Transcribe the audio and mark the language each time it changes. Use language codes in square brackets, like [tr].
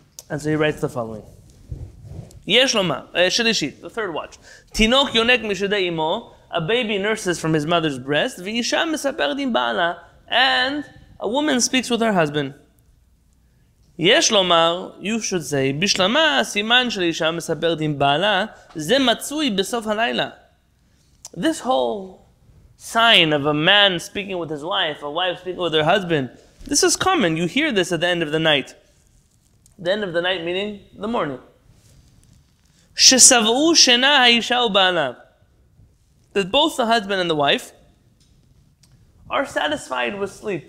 [en] And so he writes the following. [he] Yesh loma, shilishit, [en] the third watch. [he] Tinok yonek mishede imo, [en] a baby nurses from his mother's breast. [he] V'isha mesaper din ba'ala, [en] and a woman speaks with her husband. [he] יש לומר, [en] you should say, [he] בשלמה הסימן של אישה מספרת עם בעלה, זה מצוי בסוף הלילה. [en] This whole sign of a man speaking with his wife, a wife speaking with her husband, this is common. You hear this at the end of the night. The end of the night meaning the morning. [he] ששבעו שינה האישה ובעלה. [en] That both the husband and the wife are satisfied with sleep.